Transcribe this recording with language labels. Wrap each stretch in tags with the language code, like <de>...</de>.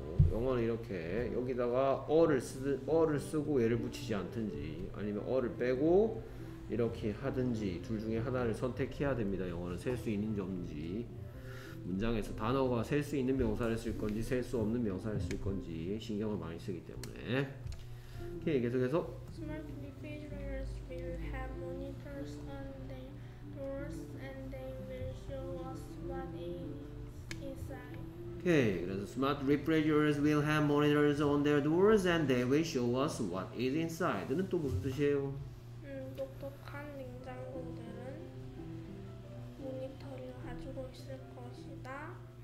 <ko>영어는 이렇게 여기다가 어를 쓰고 얘를 붙이지 않든지 아니면 어를 빼고 이렇게 하든지 둘 중에 하나를 선택해야 됩니다. 영어는 셀 수 있는지 없는지 문장에서 단어가 셀 수 있는 명사를 쓸 건지 셀 수 없는 명사를 쓸 건지 신경을 많이 쓰기 때문에 오케이 계속해서</ko> <en>Smart refrigerators will have monitors on their doors and they will show us what is inside. Okay,</en> <ko>그래서</ko> <en>smart refrigerators will have monitors on their doors and they will show us what is inside.</en> <ko>는 또 무슨 뜻이에요? 독특한 냉장고들은 모니터를 가지고 있을 것이다.</ko>